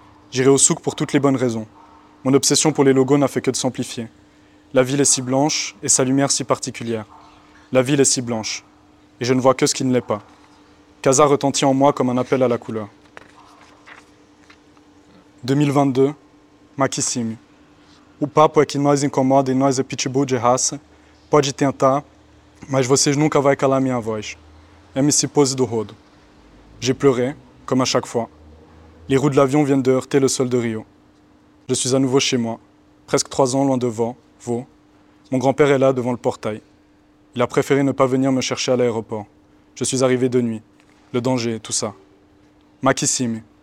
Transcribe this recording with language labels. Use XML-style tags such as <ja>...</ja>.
<fr>J'irai au souk pour toutes les bonnes raisons. Mon obsession pour les logos n'a fait que de s'amplifier. La ville est si blanche et sa lumière si particulière. La ville est si blanche et je ne vois que ce qui ne l'est pas. Casa retentit en moi comme un appel à la couleur. 2022, Makissimi.</fr> <pt>O papo é que nós incomoda e nós é pitbull de raça. Pode tentar, mas vocês nunca vai calar minha voz. MC Pose do Rodo.</pt> <fr>J'ai pleuré, comme à chaque fois. Les roues de l'avion viennent de heurter le sol de Rio. Je suis à nouveau chez moi, presque 3 ans loin devant, Vaux. Mon grand-père est là, devant le portail. Il a préféré ne pas venir me chercher à l'aéroport. Je suis arrivé de nuit. Le danger, tout ça. Makissimi.</fr>